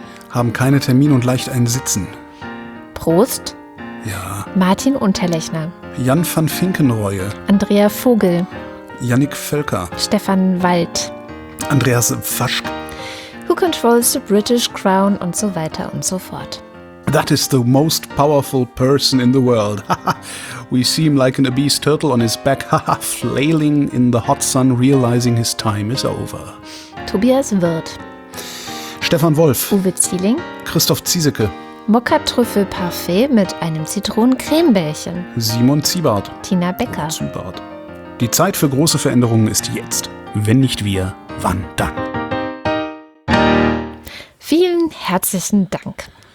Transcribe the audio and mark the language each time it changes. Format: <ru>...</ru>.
<de>Haben keine Termine und leicht einen Sitzen. Prost. Ja. Martin Unterlechner. Jan van Finkenreue. Andrea Vogel. Yannick Völker. Stefan Wald. Andreas Faschk.</de> <en>Who controls the British Crown</en> <de>und so weiter und so fort.</de> <en>That is the most powerful person in the world. We seem like an obese turtle on his back, flailing in the hot sun, realizing his time is over.</en> <de>Tobias Wirth. Stefan Wolf. Uwe Zieling. Christoph Ziesecke. Mokka-Trüffel-Parfait mit einem Zitronen-Creme-Bärchen. Simon Ziebart. Tina Becker. Ziebart. Die Zeit für große Veränderungen ist jetzt. Wenn nicht wir, wann dann? Vielen herzlichen Dank.</de>